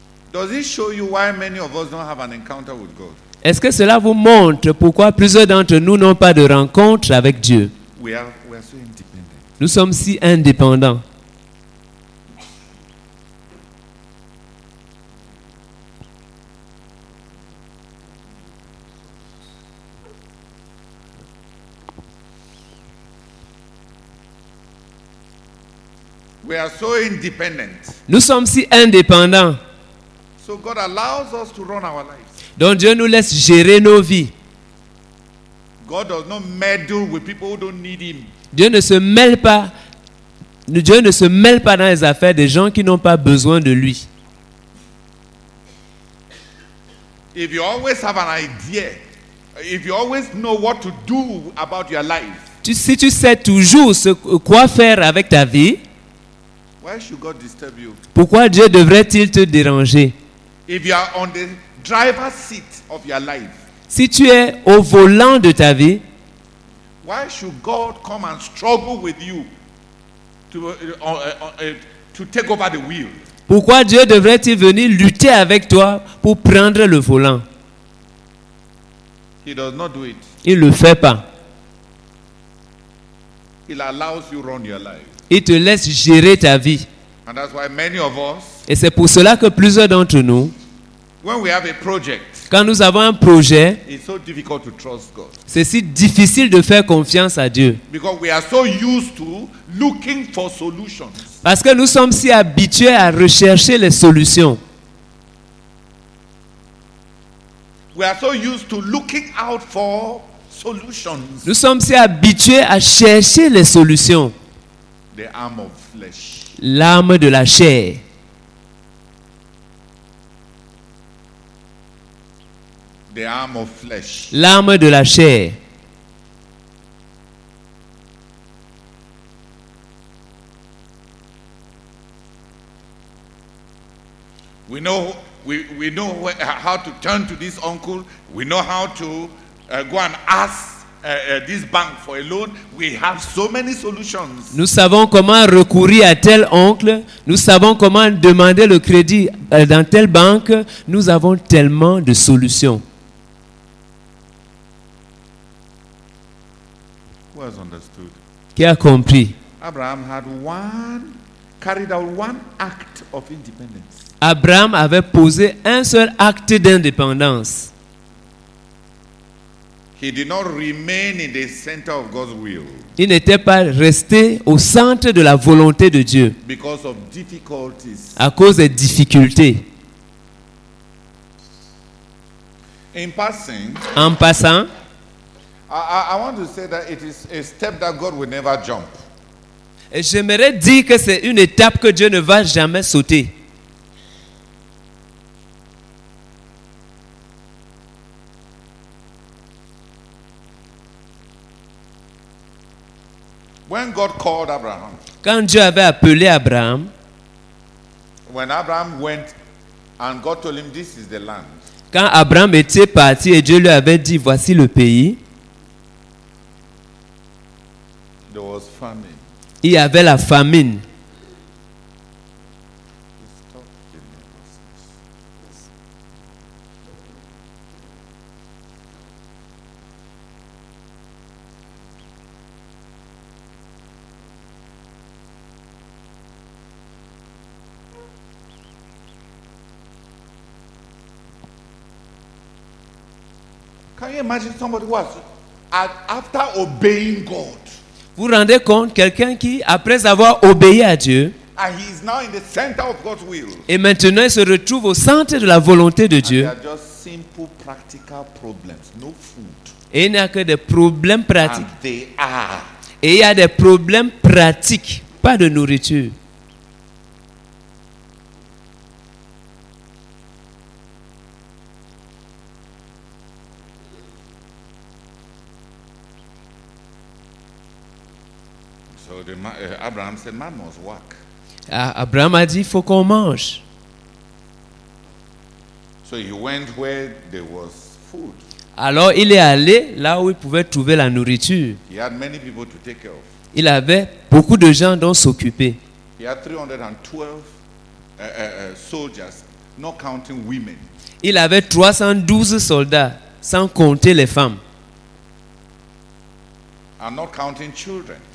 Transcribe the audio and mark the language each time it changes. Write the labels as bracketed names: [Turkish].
[English] Does it show you why many of us don't have an encounter with God? [French] Est-ce que cela vous montre pourquoi plusieurs d'entre nous n'ont pas de rencontre avec Dieu? [English] We are so independent. [French] Nous sommes si indépendants. [English] We are so independent. [French] Nous sommes si indépendants. [English] So God allows us to run our lives. [French] Donc Dieu nous laisse gérer nos vies. [English] God does not meddle with people who don't need him. [French] Dieu ne se mêle pas dans les affaires des gens qui n'ont pas besoin de lui. [English] If you always have an idea, if you always know what to do about your life, [French] si tu sais toujours ce, quoi faire avec ta vie, [English] why should God disturb you? [French] Pourquoi Dieu devrait-il te déranger? [English] If you are on the driver's seat of your life, [French] si tu es au volant de ta vie, [English] why should God come and struggle with you to take over the wheel? [French] Pourquoi Dieu devrait-il venir lutter avec toi pour prendre le volant? [English] He does not do it. [French] Il ne le fait pas. [English] He allows you run your life. [French] Il te laisse gérer ta vie. [English] And that's why many of us, [French] et c'est pour cela que plusieurs d'entre nous, [English] when we have a project, [French] quand nous avons un projet, [English] it's so difficult to trust God. [French] C'est si difficile de faire confiance à Dieu. [English] Because we are so used to looking for solutions. [French] Parce que nous sommes si habitués à rechercher les solutions. [English] We are so used to looking out for solutions. [French] Nous sommes si habitués à chercher les solutions. [English] The arm of flesh. [French] L'arme de la chair. [English] The arm of flesh. [French] L'arme de la chair. [English] We know how to turn to this uncle. We know how to go and ask this bank for a loan. We have so many solutions. [French] Nous savons comment recourir à tel oncle. Nous savons comment demander le crédit dans telle banque. Nous avons tellement de solutions. [English] Who has understood? [French] Qui a compris? [English] Abraham had carried out one act of independence. [French] Abraham avait posé un seul acte d'indépendance. [English] He did not remain in the center of God's will. [French] Il n'était pas resté au centre de la volonté de Dieu. [English] Because of difficulties. [French] À cause des difficultés. En passant, [English] I want to say that it is a step that God will never jump. [French] Et j'aimerais dire que c'est une étape que Dieu ne va jamais sauter. [English] When God called Abraham, [French] quand Dieu avait appelé Abraham, [English] when Abraham went and God told him, "This is the land." [French] Quand Abraham était parti et Dieu lui avait dit, "Voici le pays." [English] There was famine. [French] Il y avait la famine. [English] Can you imagine somebody who was after obeying God? [French] Vous rendez compte, quelqu'un qui, après avoir obéi à Dieu, [English] and he is now in the center of God's will, [French] et maintenant il se retrouve au centre de la volonté de Dieu, [English] and they are just simple, practical problems, no food, [French] et il n'y a que des problèmes pratiques. [English] And they are. [French] Et il y a des problèmes pratiques, pas de nourriture. [English] Abraham said, "Man must work." [French] Abraham a dit, il faut qu'on mange. [English] So he went where there was food. [French] Alors il est allé là où il pouvait trouver la nourriture. [English] He had many people to take care of. [French] Il avait beaucoup de gens dont s'occuper. [English] He had 312 soldiers, not counting women. [French] Il avait 312 soldats, sans compter les femmes. [English] And not counting children.